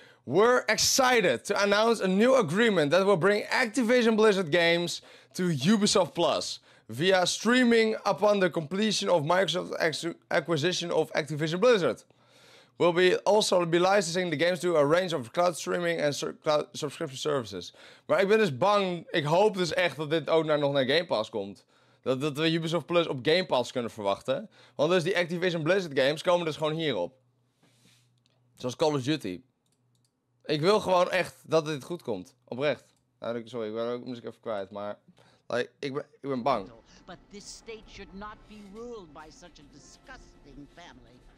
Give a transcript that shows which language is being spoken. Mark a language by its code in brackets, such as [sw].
[en] We're excited to announce a new agreement that will bring Activision Blizzard games to Ubisoft Plus. Via streaming upon the completion of Microsoft's acquisition of Activision Blizzard. We'll be also be licensing the games to a range of cloud streaming and cloud subscription services. [nl] Maar ik ben dus bang, ik hoop dus echt dat dit ook nog naar Game Pass komt. Dat we Ubisoft Plus op Game Pass kunnen verwachten. Want dus die Activision Blizzard games komen dus gewoon hierop. Zoals Call of Duty. Ik wil gewoon echt dat dit goed komt. Oprecht. Nou, sorry, ik ben ook misschien even kwijt, maar... Like, ik ben bang. [en] But this state should not be ruled by such a disgusting family.